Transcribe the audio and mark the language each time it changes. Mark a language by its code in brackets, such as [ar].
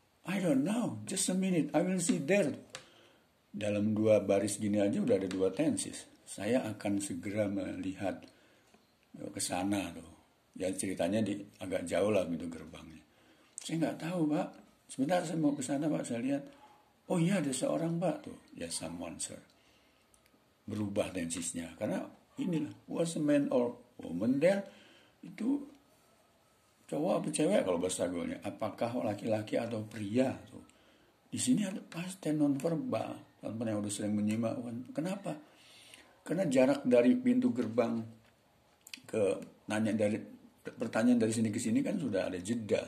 [en] I don't know, just a minute, I will see there. [id] Dalam dua baris gini aja udah ada dua tenses. Saya akan segera melihat ke sana tuh. Ya ceritanya di agak jauh lah pintu gerbangnya. Saya nggak tahu pak, sebentar saya mau ke sana pak, saya lihat. Oh iya, ada seorang pak tuh. Ya, [en] yes, someone, sir. [id] Berubah tensisnya. Karena inilah, [en] was a man or woman there? [id] Itu cowok apa cewek kalau bahasa gaulnya. Apakah laki-laki atau pria? Tuh. Di sini ada past tense non-verbal. Teman-teman yang udah sering menyimak. Kenapa? Karena jarak dari pintu gerbang ke nanya dari pertanyaan dari sini ke sini kan sudah ada jeda.